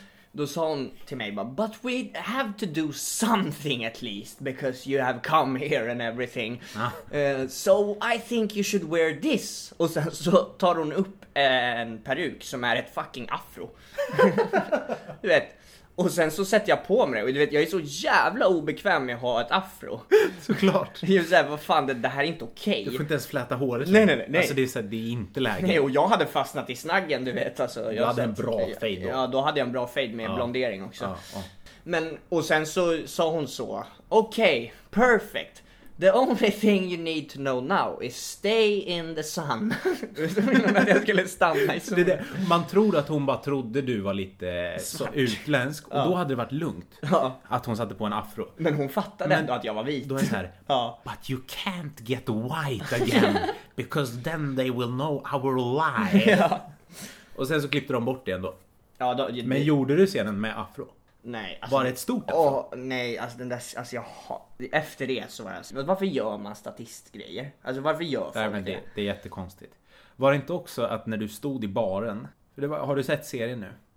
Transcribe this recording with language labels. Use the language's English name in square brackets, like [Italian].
[Swedish] Då sa hon till mig, [English] but we have to do something at least, because you have come here and everything. So I think you should wear this. [Swedish] Och sen så tar hon upp en peruk som är ett fucking afro. Du vet. Och sen så sätter jag på mig det. Och du vet, jag är så jävla obekväm med att ha ett afro. Såklart. Just såhär, vad fan, det här är inte okej. Du får inte ens fläta håret. Nej. Alltså det är såhär, det är inte läge. Nej, och jag hade fastnat i snaggen, du vet. Alltså, jag hade en bra fade då. Ja, då hade jag en bra fade med blondering också. Men, och sen så sa hon så. Okej, perfect. [English] The only thing you need to know now is stay in the sun. [Swedish] Att jag skulle stanna i solen. Det. Man tror att hon bara trodde du var lite så utländsk. Och då hade det varit lugnt att hon satte på en afro. Men hon fattade ändå att jag var vit. Då är det här, [English] but you can't get white again. Because then they will know our lie. [Swedish] Och sen så klippte de bort det ändå. Men gjorde du scenen med afro? Nej, alltså, var det ett stort afro? Nej, alltså den där, alltså jag har, efter det så var jag, varför gör man statistgrejer? Alltså varför gör folk det? Det är jättekonstigt. Var det inte också att när du stod i baren, för det var, har du sett serien nu?